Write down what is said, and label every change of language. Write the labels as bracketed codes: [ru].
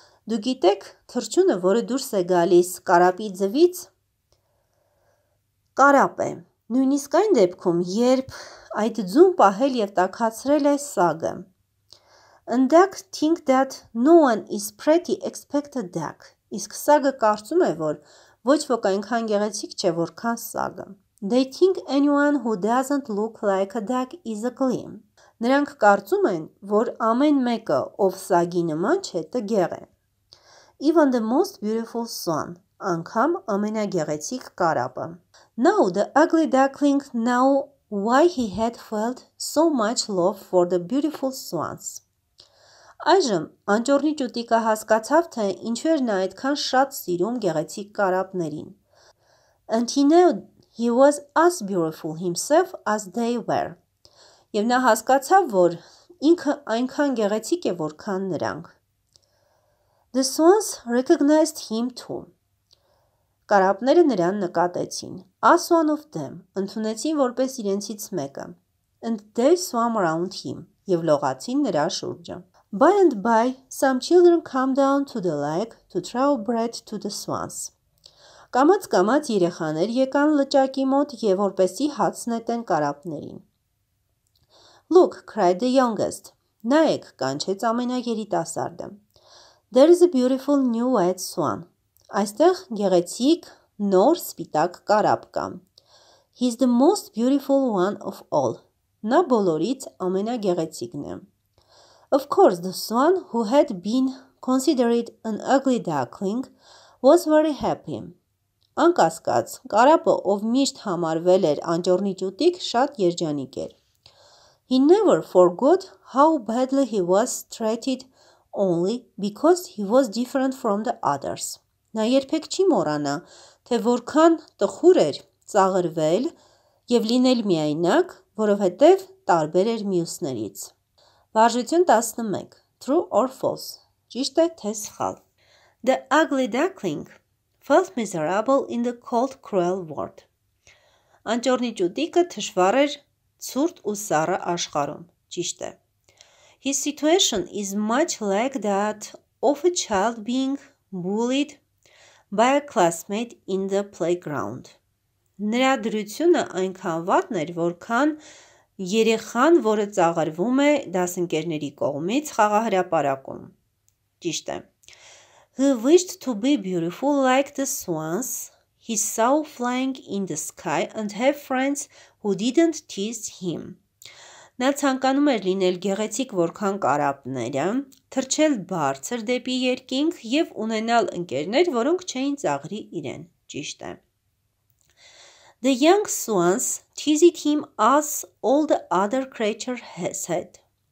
[hy] Դու գիտեք, թռչունը, որը դուրս է գալիս կարապի ձվից, կարապ է, նույնիսկ այն դեպքում, երբ այդ ձուն պահել և տաքացրել է սագը. [en] And duck think that no one is pretty except a duck. [hy] Իսկ սագը կարծում է, որ ոչ ոք այնքան գեղեցիկ չէ, որքան սագը. [en] They think anyone who doesn't look like a duck is ugly. [hy] Նրանք կարծում են, որ ամեն մեկը, ով սագի նման չէ, տգեղ է. [en] Even the most beautiful swan, [hy] անգամ ամենագեղեցիկ կարապը. [en] Now the ugly duckling knew why he had felt so much love for the beautiful swans. [hy] Այժմ անճոռնի ճուտիկը հասկացավ, թե ինչու էր նա այդքան շատ սիրում գեղեցիկ կարապներին. [en] And he knew he was as beautiful himself as they were. [hy] Եվ նա հասկացավ, որ ինքը այնքան գեղեցիկ է, որքան նրանք. [en] The swans recognized him too. [hy] Կարապները նրան նկատեցին. [en] As one of them, [hy] ընդունեցին որպես իրենցից մեկը. [en] And they swam around him. [hy] Եվ լողացին նրա շուրջը. [en] By and by, some children come down to the lake to throw bread to the swans. [hy] Կամաց-կամաց երեխաներ եկան լճակի մոտ և որպեսի հաց նետեն կարապներին. [en] Look, cried the youngest. [hy] Նայեք, կանչեց ամենաերիտասարդը. [en] There is a beautiful new white swan. [hy] Այստեղ գեղեցիկ նոր սպիտակ կարապ կա. [en] He's the most beautiful one of all. [hy] Նա բոլորից ամենագեղեցիկն է. [en] Of course, the swan who had been considered an ugly duckling was very happy. [hy] Անկասկած, կարապը, ով միշտ համարվել էր անճոռնի ճուտիկ, շատ երջանիկ էր. [en] He never forgot how badly he was treated only because he was different from the others. [hy] Նա երբեք չի մոռանա, թե որքան տխուր էր ծաղրվել և լինել միայնակ, որովհետև տարբեր էր մյուսներից. Վարժություն 11. [en] True or false. [hy] Ճիշտ է, թե սխալ. [en] The ugly duckling felt miserable in the cold, cruel world. [hy] Անճոռնի ճուտիկը թշվառ էր ցուրտ ու սառը աշխարհում. Ճիշտ է. [en] His situation is much like that of a child being bullied by a classmate in the playground. [hy] Նրա դրությունը այնքան վատն էր, որքան երեխան, որը ծաղրվում է դասընկերների կողմից խաղահրապարակում. Ճիշտ է. [en] He wished to be beautiful like the swans he saw flying in the sky and have friends who didn't tease him. [hy] Նա ցանկանում էր լինել գեղեցիկ որքան կարապները, թրչել բարձր դեպի երկինք և ունենալ ընկերներ, որոնք չէին ծաղրի իրեն, ճիշտ է։ [en] The young swans teased him as all the other creature has had.